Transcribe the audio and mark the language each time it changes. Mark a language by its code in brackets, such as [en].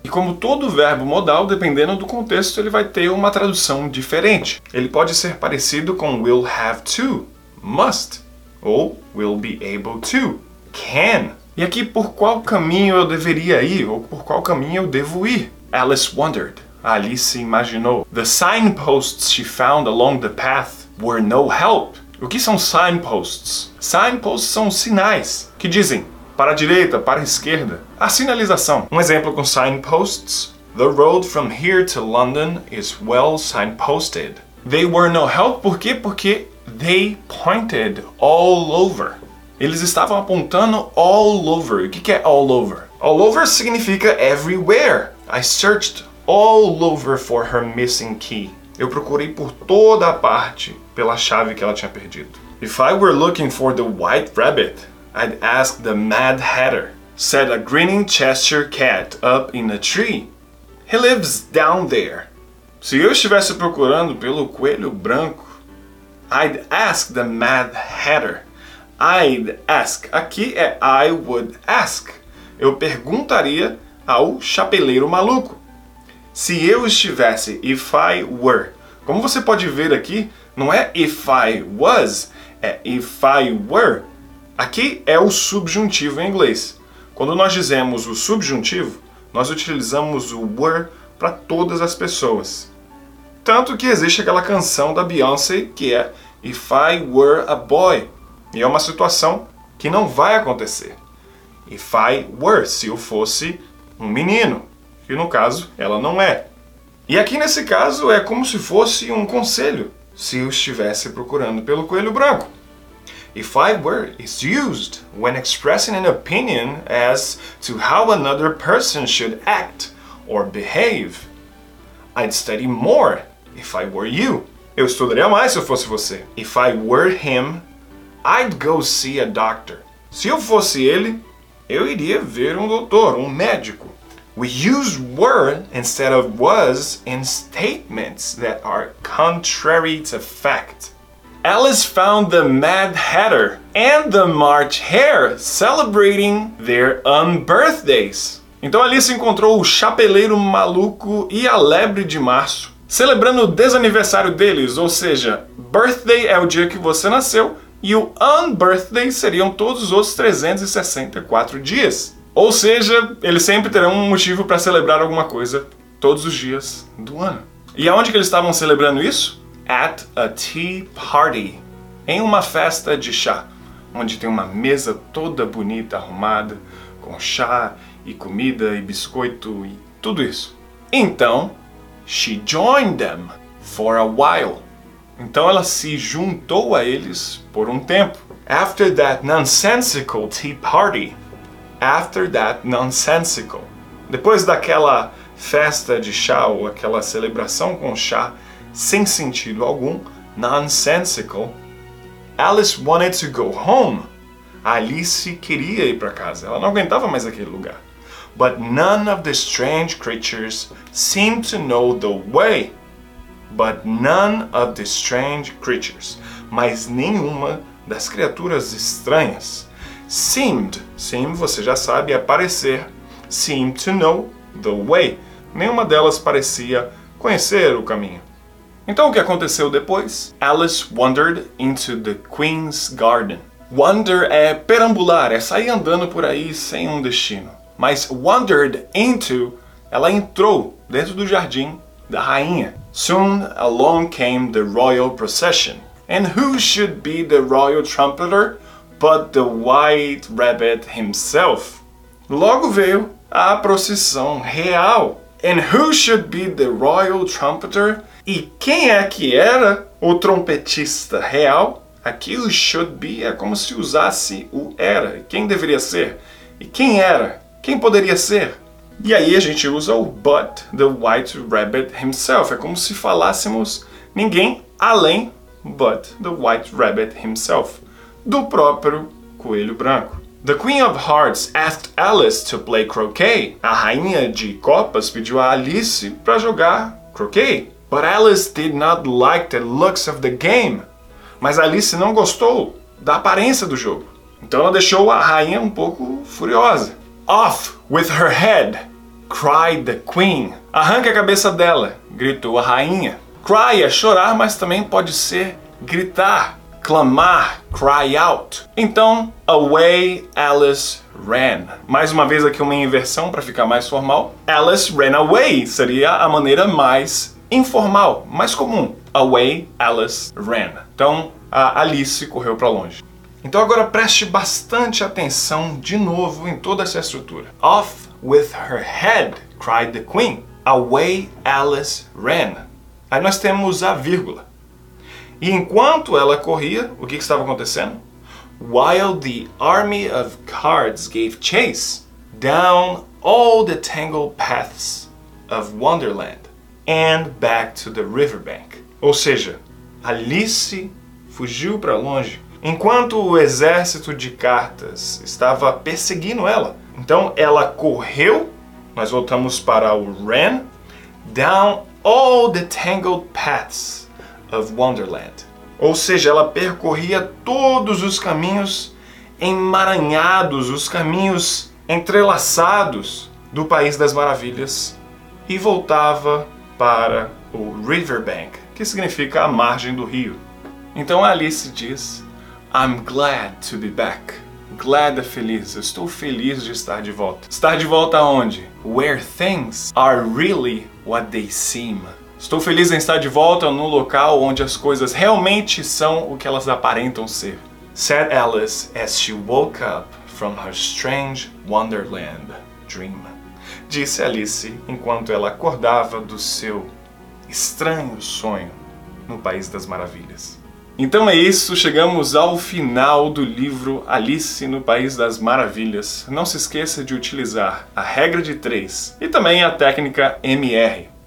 [pt] E como todo verbo modal, dependendo do contexto, ele vai ter uma tradução diferente. Ele pode ser parecido com [en] will have to, must, ou will be able to, can. [pt] E aqui, por qual caminho eu deveria ir, ou por qual caminho eu devo ir? [en] Alice wondered. [pt] A Alice imaginou. [en] The signposts she found along the path were no help. [pt] O que são signposts? Signposts são sinais que dizem para a direita, para a esquerda. A sinalização. Um exemplo com signposts. [en] The road from here to London is well signposted. They were no help. [pt] Por quê? [en] Porque they pointed all over. [pt] Eles estavam apontando [en] all over. [pt] O que é all over? All over significa everywhere. [en] I searched all over for her missing key. [pt] Eu procurei por toda a parte pela chave que ela tinha perdido. [en] If I were looking for the White Rabbit, I'd ask the Mad Hatter, said a grinning Cheshire Cat up in a tree. He lives down there. [pt] Se eu estivesse procurando pelo Coelho Branco, [en] I'd ask the Mad Hatter. I'd ask. [pt] Aqui é [en] I would ask. [pt] Eu perguntaria ao Chapeleiro Maluco. Se eu estivesse, [en] if I were. [pt] Como você pode ver aqui, não é [en] if I was, [pt] é [en] if I were. [pt] Aqui é o subjuntivo em inglês. Quando nós dizemos o subjuntivo, nós utilizamos o were para todas as pessoas. Tanto que existe aquela canção da Beyoncé que é [en] if I were a boy. [pt] E é uma situação que não vai acontecer. [en] If I were, [pt] se eu fosse um menino. E no caso, ela não é. E aqui nesse caso é como se fosse um conselho, se eu estivesse procurando pelo Coelho Branco. [en] If I were is used when expressing an opinion as to how another person should act or behave. I'd study more if I were you. [pt] Eu estudaria mais se eu fosse você. [en] If I were him, I'd go see a doctor. [pt] Se eu fosse ele, eu iria ver um doutor, um médico. [en] We use were instead of was in statements that are contrary to fact. Alice found the Mad Hatter and the March Hare celebrating their unbirthdays. [pt] Então Alice encontrou o Chapeleiro Maluco e a Lebre de Março celebrando o desaniversário deles, ou seja, birthday é o dia que você nasceu e o unbirthday seriam todos os outros 364 dias. Ou seja, eles sempre terão um motivo para celebrar alguma coisa todos os dias do ano. E aonde que eles estavam celebrando isso? [en] At a tea party. [pt] Em uma festa de chá. Onde tem uma mesa toda bonita, arrumada, com chá e comida e biscoito e tudo isso. Então, [en] she joined them for a while. [pt] Então ela se juntou a eles por um tempo. [en] After that nonsensical tea party. After that nonsensical. [pt] Depois daquela festa de chá ou aquela celebração com chá sem sentido algum, nonsensical, Alice wanted to go home. Alice queria ir para casa, ela não aguentava mais aquele lugar. [en] But none of the strange creatures seemed to know the way. But none of the strange creatures. [pt] Mas nenhuma das criaturas estranhas [en] seemed, seem, [pt] você já sabe, aparecer, [en] seemed to know the way. [pt] Nenhuma delas parecia conhecer o caminho. Então o que aconteceu depois? [en] Alice wandered into the Queen's Garden. [pt] Wander é perambular, é sair andando por aí sem um destino. Mas wandered into, ela entrou dentro do jardim da rainha. [en] Soon along came the royal procession. And who should be the royal trumpeter but the white rabbit himself? [pt] Logo veio a procissão real. [en] And who should be the royal trumpeter? [pt] E quem é que era o trompetista real? Aqui o should be é como se usasse o era. Quem deveria ser? E quem era? Quem poderia ser? E aí a gente usa o [en] but the white rabbit himself. [pt] É como se falássemos ninguém além but the white rabbit himself. Do próprio coelho branco. [en] The Queen of Hearts asked Alice to play croquet. [pt] A rainha de copas pediu a Alice para jogar croquet. [en] But Alice did not like the looks of the game. [pt] Mas Alice não gostou da aparência do jogo. Então ela deixou a rainha um pouco furiosa. [en] Off with her head, cried the queen. [pt] Arranque a cabeça dela, gritou a rainha. Cry é chorar, mas também pode ser gritar, clamar, cry out. Então, [en] away Alice ran. [pt] Mais uma vez aqui uma inversão para ficar mais formal. [en] Alice ran away [pt] seria a maneira mais informal, mais comum. [en] Away Alice ran. [pt] Então, a Alice correu para longe. Então agora preste bastante atenção de novo em toda essa estrutura. [en] Off with her head, cried the queen. Away Alice ran. [pt] Aí nós temos a vírgula. E enquanto ela corria, o que estava acontecendo? [en] While the army of cards gave chase down all the tangled paths of Wonderland and back to the riverbank. [pt] Ou seja, Alice fugiu para longe. Enquanto o exército de cartas estava perseguindo ela. Então ela correu, nós voltamos para o ran, [en] down all the tangled paths of Wonderland. [pt] Ou seja, ela percorria todos os caminhos emaranhados, os caminhos entrelaçados do País das Maravilhas e voltava para o riverbank, que significa a margem do rio. Então Alice diz, [en] I'm glad to be back. [pt] Glad é feliz. Eu estou feliz de estar de volta. Estar de volta aonde? [en] Where things are really what they seem. [pt] Estou feliz em estar de volta no local onde as coisas realmente são o que elas aparentam ser. [en] Said Alice as she woke up from her strange wonderland dream. [pt] Disse Alice enquanto ela acordava do seu estranho sonho no País das Maravilhas. Então é isso, chegamos ao final do livro Alice no País das Maravilhas. Não se esqueça de utilizar a regra de 3 e também a técnica MR.